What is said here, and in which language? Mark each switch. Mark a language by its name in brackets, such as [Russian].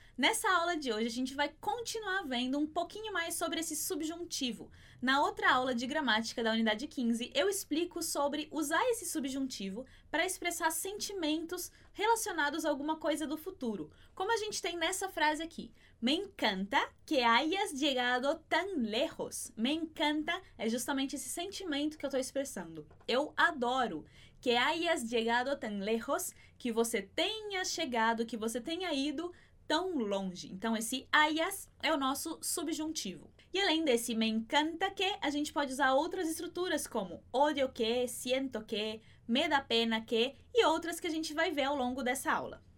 [Portuguese] Nessa aula de hoje, a gente vai continuar vendo um pouquinho mais sobre esse subjuntivo. Na outra aula de gramática da unidade 15, eu explico sobre usar esse subjuntivo para expressar sentimentos relacionados a alguma coisa do futuro. Como a gente tem nessa frase aqui. [Spanish] Me encanta que hayas llegado tan lejos. Me encanta [Portuguese] é justamente esse sentimento que eu estou expressando. Eu adoro que [Spanish] hayas llegado tan lejos, [Portuguese] que você tenha chegado, que você tenha ido tão longe. Então, esse hayas é o nosso subjuntivo. E além desse [Spanish] me encanta que, [Portuguese] a gente pode usar outras estruturas como [Spanish] odio que, siento que, me da pena que [Portuguese] e outras que a gente vai ver ao longo dessa aula.